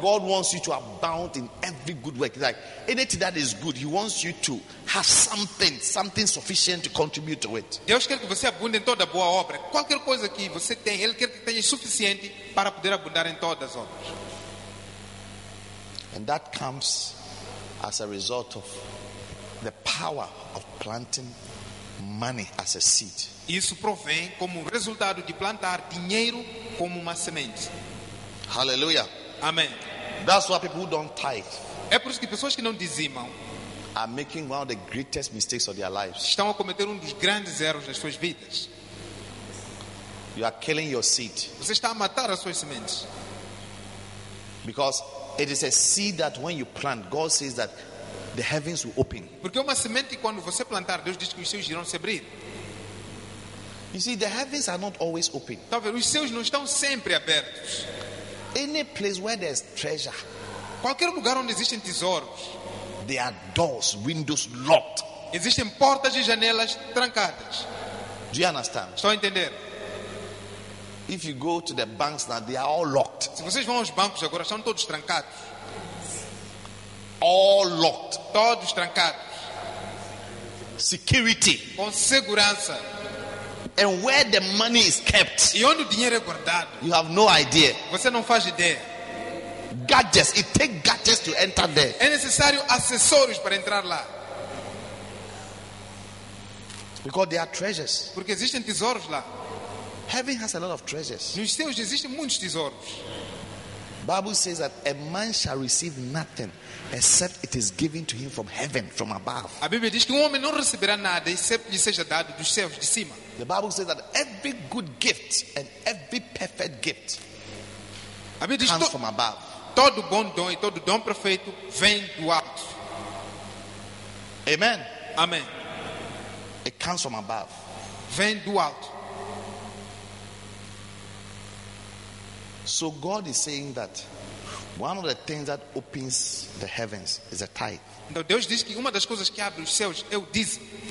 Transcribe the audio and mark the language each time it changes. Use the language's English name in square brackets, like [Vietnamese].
[English] God wants you to abound in every good work. Like anything that is good, He wants you to have something sufficient to contribute to it. [Portuguese] Deus quer que você abunde em toda boa obra. Qualquer coisa que você tem, Ele quer que tenha suficiente para poder abundar em todas as obras. [English] And that comes as a result of the power of planting money as a seed. [Portuguese] Isso provém como resultado de plantar dinheiro como uma semente. [English] Hallelujah. [Portuguese] Amen. [English] That's why people don't tithe. [Portuguese] É por isso que pessoas que não dizimam [English] are making one of the greatest mistakes of their lives. [Portuguese] Estão a cometer dos grandes erros das suas vidas. [English] You are killing your seed. [Portuguese] Você está a matar as suas sementes. [English] Because it is a seed that when you plant, God says that the heavens will open. [Portuguese] Porque uma semente quando você plantar, Deus diz que os céus irão se abrir. [English] You see, the heavens are not always open. [Portuguese] Talvez os céus não estão sempre abertos. [English] Any place where there's treasure, [Portuguese] qualquer lugar onde existem tesouros, [English] there are doors, windows locked. [Portuguese] Existem portas e janelas trancadas. [English] Do you understand? [Portuguese] Estão a entender? [English] If you go to the banks now, they are all locked. [Portuguese] Se vocês vão aos bancos agora, estão todos trancados. [English] All locked. [Portuguese] Todos trancados. [English] Security. [Portuguese] Com segurança. [English] And where the money is kept. [Portuguese] E onde o dinheiro é guardado. [English] You have no idea. [Portuguese] Você não faz ideia. [English] Gadgets. It takes gadgets to enter there. [Portuguese] É necessário acessórios para entrar lá. [English] Because there are treasures. [Portuguese] Porque existem tesouros lá. [English] Heaven has a lot of treasures. [Portuguese] Nos céus existem muitos tesouros. [English] Bible says that a man shall receive nothing except it is given to him from heaven, from above. [Portuguese] A Bíblia diz que homem não receberá nada [English] except [Portuguese] lhe seja dado dos céus de cima. [English] The Bible says that every good gift and every perfect gift comes from above. [Portuguese] Todo bom dom e todo dom perfeito vem do alto. [English] Amen. [Portuguese] Amen. [English] It comes from above. [Portuguese] Vem do alto. [English] So God is saying that one of the things that opens the heavens is a tithe. [Portuguese] Então Deus diz que uma das coisas que abre os céus é o dízimo.